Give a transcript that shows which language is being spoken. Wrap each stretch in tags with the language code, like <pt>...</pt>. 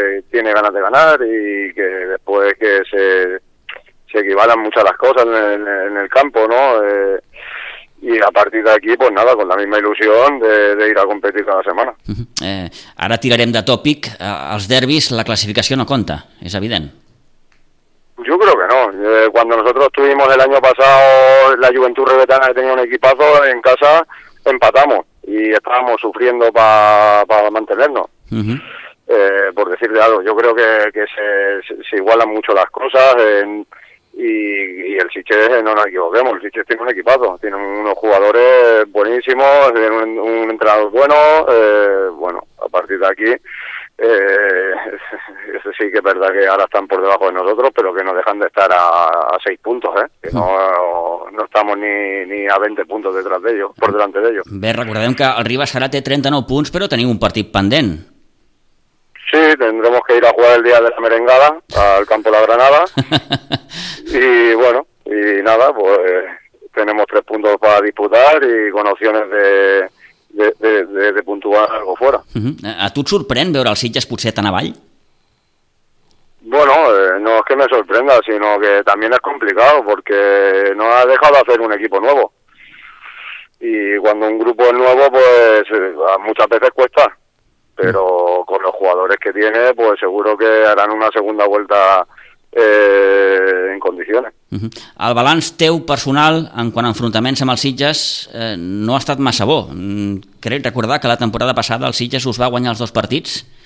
<es>tiene ganas de ganar y que después que se equivalan muchas las cosas en el campo, ¿no? Y a partir de aquí, pues nada, con la misma ilusión de ir a competir cada semana.</es> <ca>Ara tirarem de tòpic. Els derbis, la classificació no compta, és evident.</ca> <es>Yo creo que no. Cuando nosotros tuvimos el año pasado la Juventud Ribetana, que tenía un equipazo en casa, empatamos y estábamos sufriendo para mantenernos. Por decirle algo, yo creo que se igualan mucho las cosas y el Sitges, no nos equivoquemos, el Sitges tiene un equipazo, tiene unos jugadores buenísimos, tiene un entrenador bueno, bueno, a partir de aquí, eso sí que es verdad que ahora están por debajo de nosotros, pero que no dejan de estar a seis puntos, que no, no estamos ni a 20 puntos detrás de ellos, por delante de ellos.</es> <ca>Bé, recordem que el Ribas ara té 39 punts, però teniu un partit pendent.</ca> <es>Sí, tendremos que ir a jugar el día de la merengada al campo de la Granada. Y bueno, y nada, pues tenemos 3 puntos para disputar y con opciones de puntuar algo fuera.</es> <ca>Uh-huh. A tu et sorprèn veure el Sitges potser tan avall?</ca> <es>Bueno, no es que me sorprenda, sino que también es complicado porque no ha dejado de hacer un equipo nuevo. Y cuando un grupo es nuevo, pues muchas veces cuesta. Pero con los jugadores que tiene, pues seguro que harán una segunda vuelta en condiciones. Uh-huh.</es> <ca>El balanç teu personal en quant a enfrontaments amb els Sitges no ha estat massa bo. Crec recordar que la temporada passada els Sitges us va guanyar els 2 partits.</ca>